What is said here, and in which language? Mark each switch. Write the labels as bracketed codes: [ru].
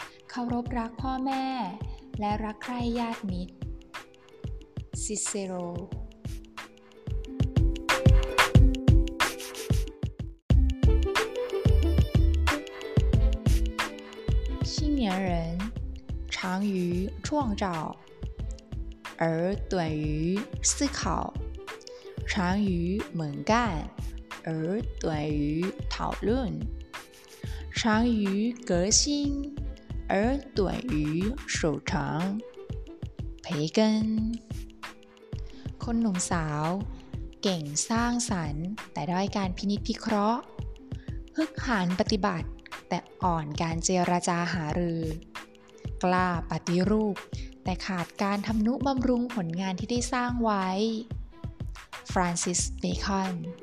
[th] เคารพรักพ่อแม่และรักใคร่ญาติมิตรซิเซโร [zh] 年人常于创造而短于思考，长于猛干，而短于讨论，长于革新，而短于守成。 [th] 培根คนหนุ่มสาวเก่งสร้างสรรค์แต่ด้อยการพินิจพิเคราะห์ฮึกหาญปฏิบัติแต่อ่อนการเจรจาหารือกล้าปฏิรูปแต่ขาดการทำนุบำรุงผลงานที่ได้สร้างไว้ฟรานซิสเบคอน